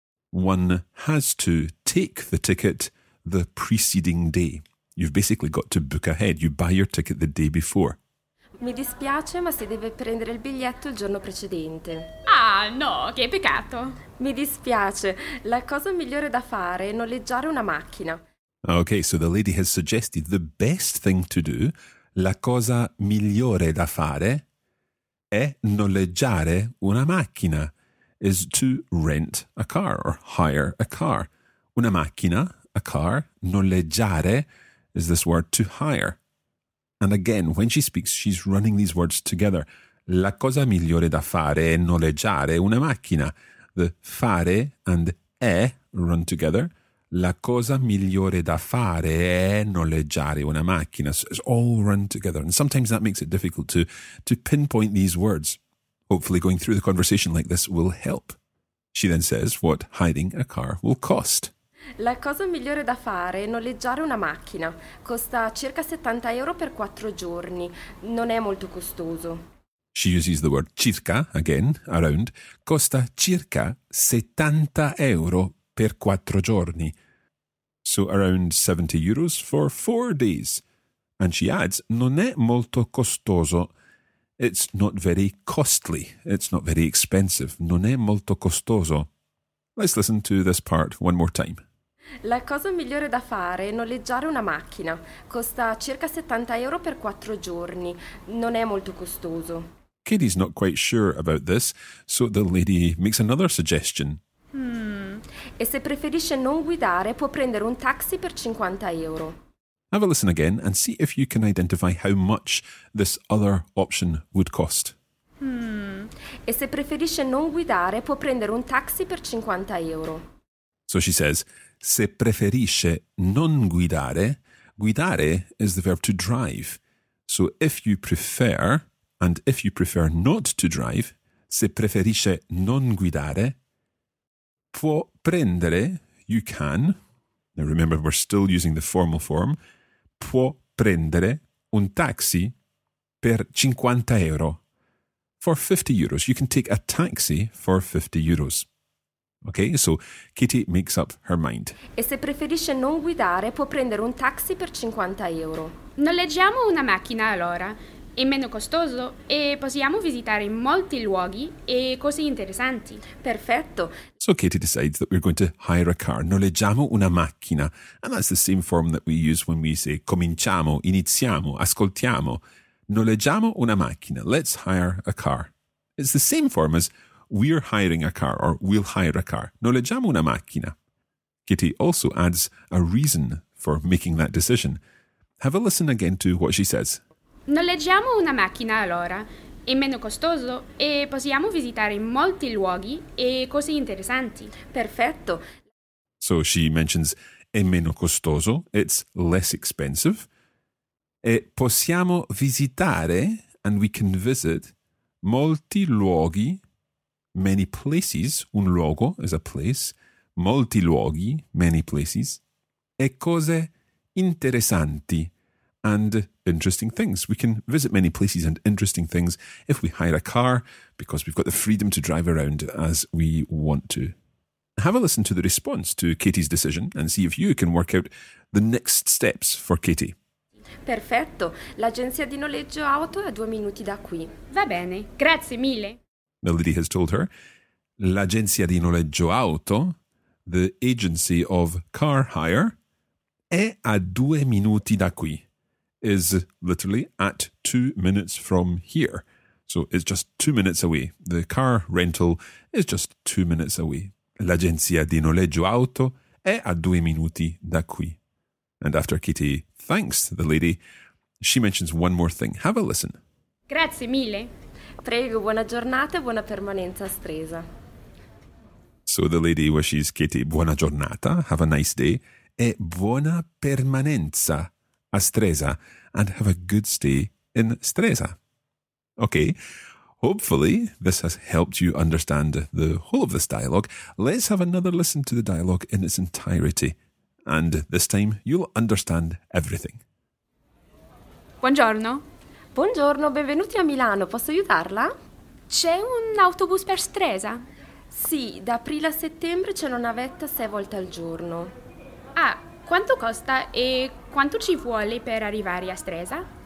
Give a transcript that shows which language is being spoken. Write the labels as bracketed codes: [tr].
[en] One has to take the ticket the preceding day. You've basically got to book ahead. You buy your ticket the day before. [it] Mi dispiace, ma si deve prendere il biglietto il giorno precedente. Ah, no, che peccato. Mi dispiace. La cosa migliore da fare è noleggiare una macchina. [en] Okay, so the lady has suggested the best thing to do, [it] la cosa migliore da fare, è noleggiare una macchina, [en] is to rent a car or hire a car. [it] Una macchina, [en] a car, [it] noleggiare, [en] is this word to hire. And again, when she speaks, she's running these words together. [it] La cosa migliore da fare è noleggiare una macchina. [en] The fare and è run together. [it] La cosa migliore da fare è noleggiare una macchina. [en] So it's all run together. And sometimes that makes it difficult to pinpoint these words. Hopefully going through the conversation like this will help. She then says what hiring a car will cost. [it] La cosa migliore da fare è noleggiare una macchina. Costa circa 70 euro per 4 giorni. Non è molto costoso. [en] She uses the word circa, again, around. [it] Costa circa 70 euro per 4 giorni. [en] So around 70 euros for 4 days. And she adds, [it] non è molto costoso. [en] It's not very costly. It's not very expensive. [it] Non è molto costoso. [en] Let's listen to this part one more time. [it] La cosa migliore da fare è noleggiare una macchina. Costa circa 70 euro per 4 giorni. Non è molto costoso. [en] Katie's not quite sure about this, so the lady makes another suggestion. [it] E se preferisce non guidare, può prendere un taxi per 50 euro. [en] Have a listen again and see if you can identify how much this other option would cost. [it] E se preferisce non guidare, può prendere un taxi per 50 euro. [en] So she says, [it] se preferisce non guidare, [en] guidare is the verb to drive. So if you prefer, and if you prefer not to drive, [it] se preferisce non guidare, può prendere, [en] you can. Now remember, we're still using the formal form. [it] Può prendere un taxi per 50 euro. [en] For 50 euros, you can take a taxi for 50 euros. Okay, so Katie makes up her mind. [it] E se preferisce non guidare, può prendere un taxi per 50 euro. Noleggiamo una macchina allora. È meno costoso e possiamo visitare molti luoghi e cose interessanti. Perfetto. [en] So Katie decides that we're going to hire a car. [it] Noleggiamo una macchina. [en] And that's the same form that we use when we say [it] cominciamo, iniziamo, ascoltiamo. Noleggiamo una macchina. [en] Let's hire a car. It's the same form as we're hiring a car or we'll hire a car. [it] Noleggiamo una macchina. [en] Kitty also adds a reason for making that decision. Have a listen again to what she says. [it] Noleggiamo una macchina allora. È meno costoso e possiamo visitare molti luoghi e cose interessanti. Perfetto. [en] So she mentions [it] è meno costoso. [en] It's less expensive. [it] E possiamo visitare, [en] and we can visit, [it] molti luoghi, [en] many places, [it] un luogo [en] is a place, molti luoghi, many places, [it] e cose interessanti, [en] and interesting things. We can visit many places and interesting things if we hire a car, because we've got the freedom to drive around as we want to. Have a listen to the response to Katie's decision and see if you can work out the next steps for Katie. [it] Perfetto. L'agenzia di noleggio auto è a 2 minuti da qui. Va bene. Grazie mille. [en] The lady has told her, [it] l'agenzia di noleggio auto, [en] the agency of car hire, [it] è a 2 minuti da qui, [en] is literally at 2 minutes from here. So it's just 2 minutes away. The car rental is just 2 minutes away. [it] L'agenzia di noleggio auto è a 2 minuti da qui. [en] And after Kitty thanks the lady, she mentions one more thing. Have a listen. [it] Grazie mille. Prego, buona giornata e buona permanenza a Stresa. [en] So the lady wishes Kitty [it] buona giornata, [en] have a nice day, [it] e buona permanenza a Stresa, [en] and have a good stay in Stresa. Okay, hopefully this has helped you understand the whole of this dialogue. Let's have another listen to the dialogue in its entirety. And this time you'll understand everything. [it] Buongiorno. Buongiorno, benvenuti a Milano. Posso aiutarla? C'è un autobus per Stresa? Sì, da aprile a settembre c'è una navetta 6 volte al giorno. Ah, quanto costa e quanto ci vuole per arrivare a Stresa?